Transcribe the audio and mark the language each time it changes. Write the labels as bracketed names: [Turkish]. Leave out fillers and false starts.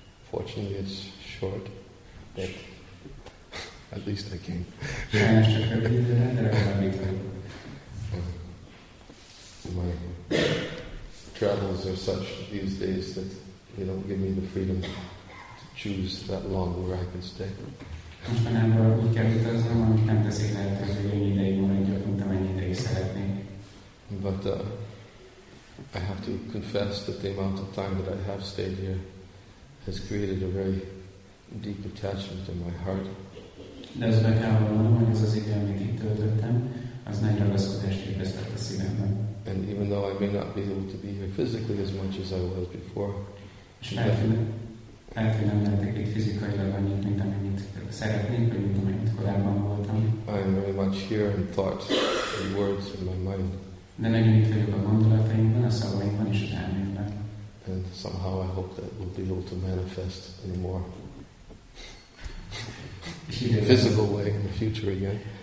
[English] Fortunately, it's short, but at least I came. My travels are such these days that they don't give me the freedom to choose that long where I can stay. [Hungarian] Most már nem valahogy úgy kell utaznom, amit nem teszik lehetőséget, hogy ennyi ideig maradjak, mint amennyi ideig szeretnénk. [English] But I have to confess that the amount of time that I have stayed here has created a very deep attachment in my heart. [Hungarian] De azt meg kell mondanom, hogy ez az idő, amit itt töltöttem, az nagy ragaszkodást ébresztett a szívemben. [English] And even though I may not be able to be here physically as much as I was before, [Hungarian] lehet, hogy nem lehetek itt fizikailag annyit, mint amennyit szeretnénk, vagy mint amennyit korábban voltam. [English] I am very much here in thoughts and words in my mind. [Hungarian] De nagyon itt vagyok a gondolataimban, a szavaimban és az elmémben. [English] And somehow I hope that we'll be able to manifest anymore. physical way in the future again.